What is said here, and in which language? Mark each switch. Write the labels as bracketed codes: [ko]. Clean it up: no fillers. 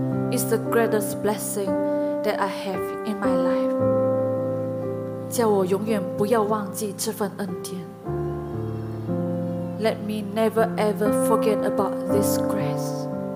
[en] It's the greatest blessing that I have in my life. [zh] 叫我永远不要忘记这份恩典。 [en] Let me never ever forget about this grace.